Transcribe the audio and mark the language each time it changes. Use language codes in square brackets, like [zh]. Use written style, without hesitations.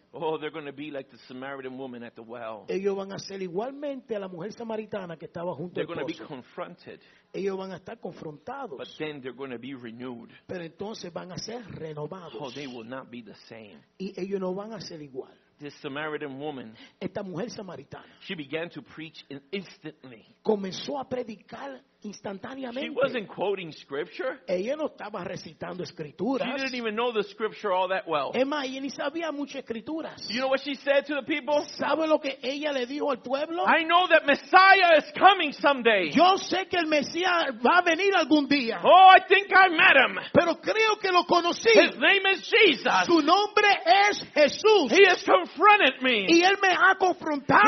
[en] oh, they're going to be like the Samaritan woman at the well. [es] Ellos van a ser igualmente a la mujer samaritana que estaba junto al pozo. [en] They're going to be confronted. [es] Ellos van a estar confrontados. [en] But then they're going to be renewed. [es] Pero entonces van a ser renovados. [en] Oh, they will not be the same. [es] Y ellos no van a ser igual. [en] This Samaritan woman, [es] esta mujer samaritana, [en] she began to preach instantly. [es] Comenzó a predicar instantáneamente. [en] She wasn't quoting scripture. [es] Ella no estaba recitando escrituras. [en] She didn't even know the scripture all that well. [es] Emma, ella ni sabía muchas escrituras. [en] You know what she said to the people? [es] ¿Sabe lo que ella le dijo al pueblo? [en] I know that Messiah is coming someday. [es] Yo sé que el Mesías va a venir algún día. [en] Oh, I think I met him. [es] Pero creo que lo conocí. [en] His name is Jesus. [es] Su nombre es Jesús. [en] He has confronted me. [es] Y él me ha confrontado.